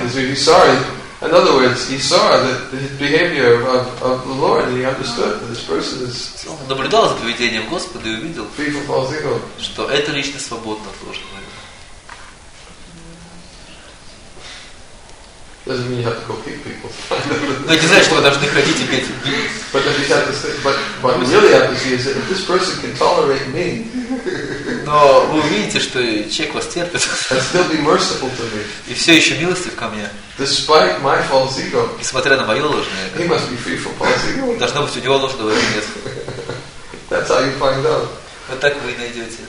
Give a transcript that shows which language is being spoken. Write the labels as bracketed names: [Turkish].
[English] In other words, he saw that his behavior of the Lord, and he understood that this person is. [Russian] Он наблюдал за поведением Господа и увидел, что эта личность свободна от ложного эго. [English] Doesn't mean you have to go kick people. [Russian] Но это значит, что вы должны ходить и бить. [English] But you have to say, but what you really have to see is that if this person can tolerate me. [Russian] Но вы увидите, что человек вас терпит. [English] And still be merciful to me. [Russian] И все еще милостив ко мне. [English] Despite my false ego. [Russian] Несмотря на мое ложное эго. [English] He must be free from false ego. [Russian] Должно быть у него ложного эго нет. [English] That's how you find out. [Russian] Вот так вы и найдете.